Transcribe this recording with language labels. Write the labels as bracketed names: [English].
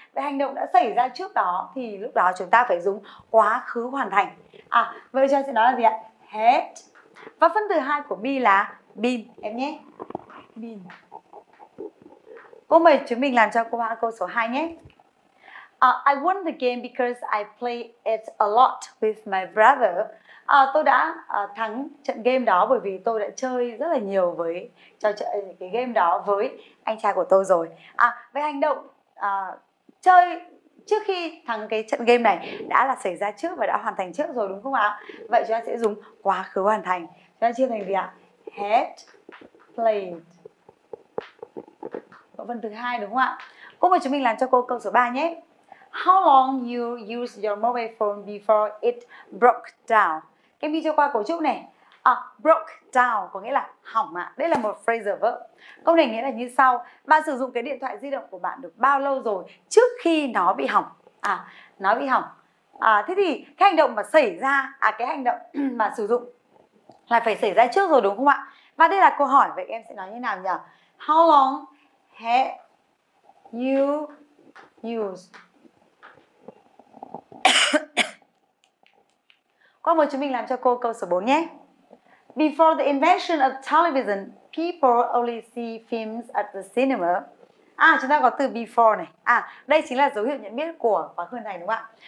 [Vietnamese] Vậy hành động đã xảy ra trước đó thì lúc đó chúng ta phải dùng quá khứ hoàn thành. Vậy cho sẽ nói là gì ạ? Had. Và phân từ 2 của be là been em nhé. Been. Cô mời chúng mình làm cho cô hoa câu số 2 nhé. [English] I won the game because I play it a lot with my brother. [Vietnamese] Tôi đã thắng trận game đó bởi vì tôi đã chơi rất là nhiều với cái game đó với anh trai của tôi rồi. Vậy hành động chơi trước khi thắng cái trận game này đã là xảy ra trước và đã hoàn thành trước rồi đúng không ạ? Vậy chúng ta sẽ dùng quá khứ hoàn thành. Chúng ta chia thành gì ạ? Had played. Câu phần thứ 2 đúng không ạ? Cô mời chúng mình làm cho cô câu số 3 nhé. [English] How long you use your mobile phone before it broke down? [Vietnamese] Cái video qua cấu trúc này, broke down có nghĩa là hỏng ạ. Đây là một phrasal verb. Câu này nghĩa là như sau: bạn sử dụng cái điện thoại di động của bạn được bao lâu rồi trước khi nó bị hỏng? Nó bị hỏng. Thế thì cái hành động mà xảy ra, cái hành động mà sử dụng là phải xảy ra trước rồi đúng không ạ? Và đây là câu hỏi, vậy em sẽ nói như nào nhỉ? [English] How long have you used? [Vietnamese] Cô mời chúng mình làm cho cô câu số 4 nhé. [English] Before the invention of television, people only see films at the cinema. [Vietnamese] Chúng ta có từ before này. Đây chính là dấu hiệu nhận biết của quá khứ hoàn thành đúng không ạ?